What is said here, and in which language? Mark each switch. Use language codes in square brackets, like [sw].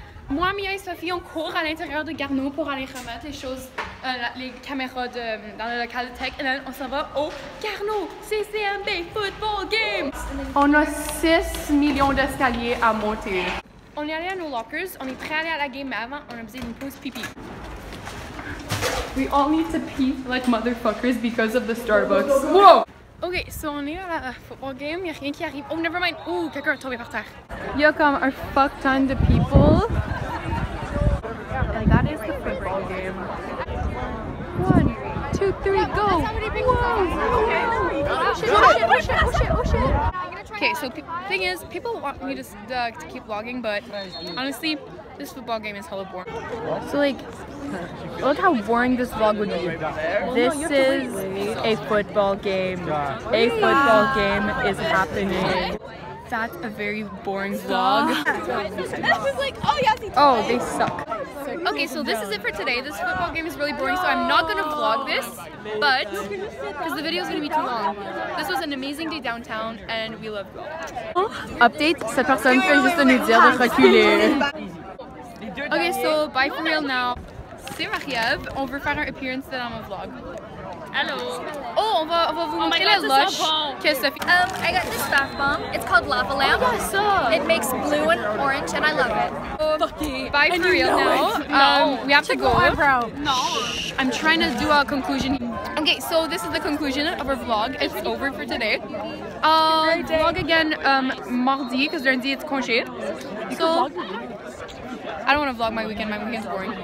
[fr] Moi, Mia et Sophie, on court à l'intérieur de Garno pour aller remettre les choses, les caméras de, dans le local de tech. Et là, on s'en va au Garno! CCMB! [en] Football game! [fr] On a 6 millions d'escaliers à monter. On est allé à nos lockers, on est prêt à aller à la game, mais avant, on a besoin d'une pause pipi. [en] We all need to pee like motherfuckers because of the Starbucks. [fr] Whoa! [en] Okay, so [fr] on est à la football game, y'a rien qui arrive. [en] Oh, never mind. [fr] Ooh, quelqu'un a tombé par terre. Y'a comme un [en] fuck ton [fr] de people. [en] And that is the football game. 1, 2, 3, go! Whoa! Oh shit, oh shit, oh shit, oh shit! Okay, so thing is, people want me to keep vlogging, but honestly, this football game is hella boring. So like, look how boring this vlog would be. This is a football game. A football game is happening. That's a very boring vlog. Oh, they suck. Okay, so this is it for today. This football game is really boring, so I'm not gonna vlog this, but because the video is gonna be too long. This was an amazing day downtown, and we loved it. [fr] Update, cette personne fait juste nous dire de reculer. [en] Okay, so bye for real now. [fr] C'est Mariev, on veut faire un appearance dans mon vlog. [en] Hello. [fr] Oh, on va vous montrer la lush kiss Sophie. [en] I got this bath bomb. It's called Lava Lamp. Oh, yeah, so. It makes blue and orange, and I love it. Bye for real now. No. We have to go. Eyebrow. No. I'm trying to do a conclusion. Okay, so this is the conclusion of our vlog. It's over for today. Vlog again mardi, because lundi it's congé. So, I don't want to vlog my weekend. My weekend's boring.